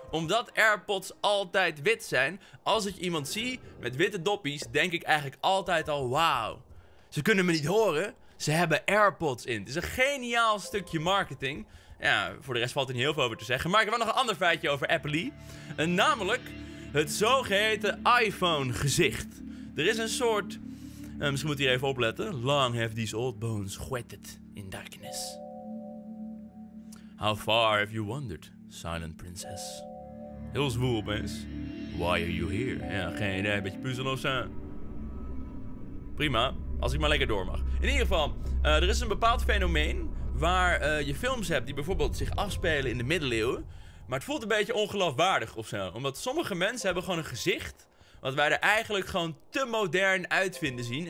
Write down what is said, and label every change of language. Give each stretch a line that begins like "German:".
Dutch: Omdat AirPods altijd wit zijn, als ik iemand zie met witte doppies, denk ik eigenlijk altijd al, wauw, ze kunnen me niet horen, ze hebben AirPods in. Het is een geniaal stukje marketing. Ja, voor de rest valt er niet heel veel over te zeggen, maar ik heb wel nog een ander feitje over Apple-y. En namelijk het zogeheten iPhone-gezicht. Er is een soort, misschien moet je hier even opletten.
English: Long have these old bones whetted in darkness. How far have you wandered, silent princess?
Dutch: Heel zwoel opeens.
English: Why are you here?
Dutch: Ja, geen idee, een beetje puzzeloos. Prima, als ik maar lekker door mag. In ieder geval, er is een bepaald fenomeen waar je films hebt die bijvoorbeeld zich afspelen in de middeleeuwen. Maar het voelt een beetje ongeloofwaardig ofzo. Omdat sommige mensen hebben gewoon een gezicht wat wij er eigenlijk gewoon te modern uitvinden zien.